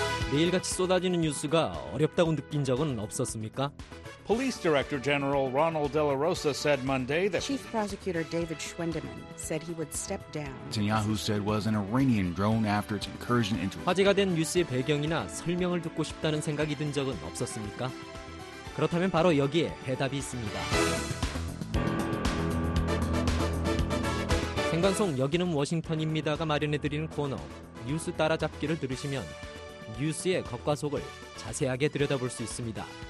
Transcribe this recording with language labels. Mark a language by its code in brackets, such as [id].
[ko] 매일같이 쏟아지는 뉴스가 어렵다고 느낀 적은 없었습니까? [en] Police Director General Ronald De La Rosa said Monday that Chief Prosecutor David Schwendeman said he would step down. Netanyahu said was an Iranian drone after its incursion into [ko] 화제가 된 뉴스의 배경이나 설명을 듣고 싶다는 생각이 든 적은 없었습니까? 그렇다면 바로 여기에 해답이 있습니다. 생방송 여기는 워싱턴입니다가 마련해드리는 코너 뉴스 따라잡기를 들으시면 뉴스의 겉과 속을 자세하게 들여다볼 수 있습니다.